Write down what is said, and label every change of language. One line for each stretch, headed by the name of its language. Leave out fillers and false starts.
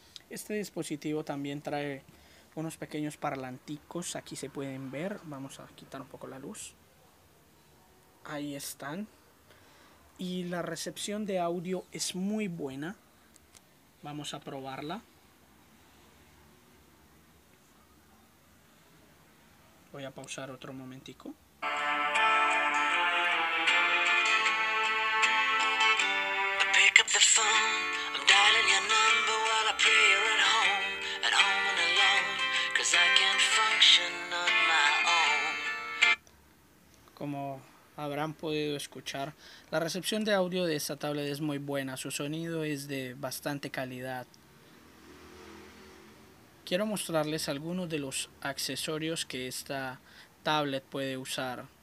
Spanish: Este dispositivo también trae unos pequeños parlanticos, aquí se pueden ver, vamos a quitar un poco la luz. Ahí están. Y la recepción de audio es muy buena, vamos a probarla. Voy a pausar otro momentico.
English: Pick up the phone, I'm dialing your number while I pray you're at home and alone, 'cause I can't function on my own.
Spanish: Como habrán podido escuchar, la recepción de audio de esta tablet es muy buena, su sonido es de bastante calidad. quiero mostrarles algunos de los accesorios que esta tablet puede usar.